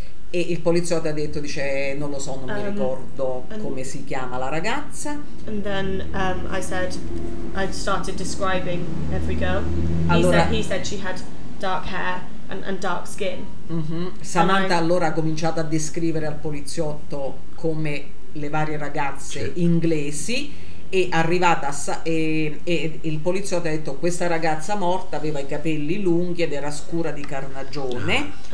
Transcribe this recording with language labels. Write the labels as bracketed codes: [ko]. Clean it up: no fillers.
[it] E il poliziotto ha detto, dice, non lo so, non mi ricordo come si chiama la ragazza. [en] And then I said, I'd started describing every girl. [it] Allora, [en] he said she had dark hair and dark skin. [it] Samantha allora ha cominciato a descrivere al poliziotto come le varie ragazze inglesi. È arrivata e il poliziotto ha detto, questa ragazza morta aveva i capelli lunghi ed era scura di carnagione.